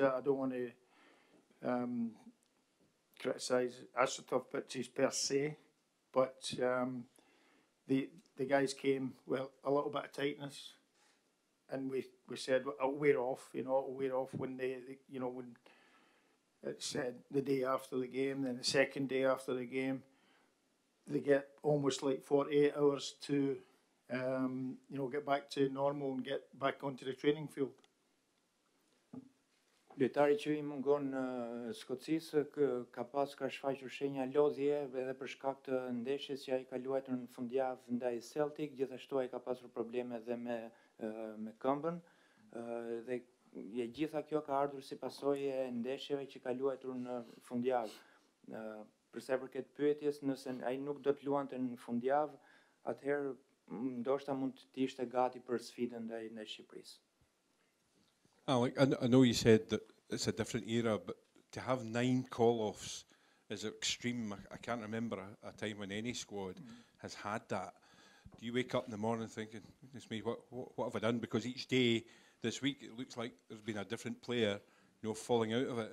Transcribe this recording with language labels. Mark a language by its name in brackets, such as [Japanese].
[English] I don't want to criticise AstroTurf pitches per se, but the guys came with a little bit of tightness, and we said it'll wear off, you know, it'll wear off when when it said the day after the game, then the second day after the game, they get almost like 48 hours to get back to normal and get back onto the training field. [Albanian] Lojtari që I mungon në Skocisë ka shfaqur shenja lodhje edhe për shkak të ndeshjes që ai ka luajtur në fundjavë ndaj Celtic, gjithashtu ai ka pasur probleme edhe me këmbën dhe e gjitha kjo ka ardhur si pasojë e ndeshjeve që ka luajtur në fundjavë. Përsa I përket pyetjes, nëse ai nuk do të luante në fundjavë, atëherë ndoshta mund të ishte gati për sfidën ndaj Shqipërisë. [English] Alec, I know you said that it's a different era, but to have 9 call-offs is extreme. I can't remember a time when any squad has had that. Do you wake up in the morning thinking, goodness me, what have I done? Because each day this week, it looks like there's been a different player, you know, falling out of it.